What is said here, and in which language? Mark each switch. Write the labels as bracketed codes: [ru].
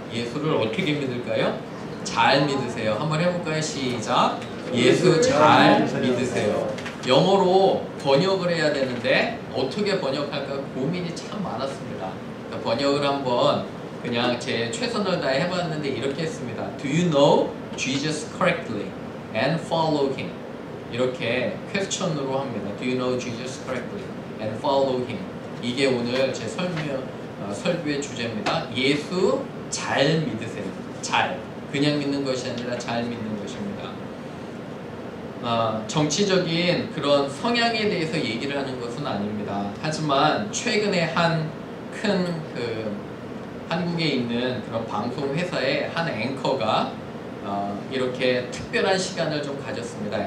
[ko] 예수를 어떻게 믿을까요? 잘 믿으세요. 한번 해볼까요? 시작. 예수 잘 믿으세요. 영어로 번역을 해야 되는데 어떻게 번역할까 고민이 참 많았습니다. 번역을 한번 그냥 제 최선을 다해 해봤는데 이렇게 했습니다. [en] Do you know Jesus correctly and follow him? [ko] 이렇게 퀘스천으로 합니다. [en] Do you know Jesus correctly and follow him? [ko] 이게 오늘 제 설교의 주제입니다. 예수 잘 믿으세요. 잘. 그냥 믿는 것이 아니라 잘 믿는 것입니다. 정치적인 그런 성향에 대해서 얘기를 하는 것은 아닙니다. 하지만 최근에 한 큰 그 한국에 있는 그런 방송회사의 한 앵커가 이렇게 특별한 시간을 좀 가졌습니다.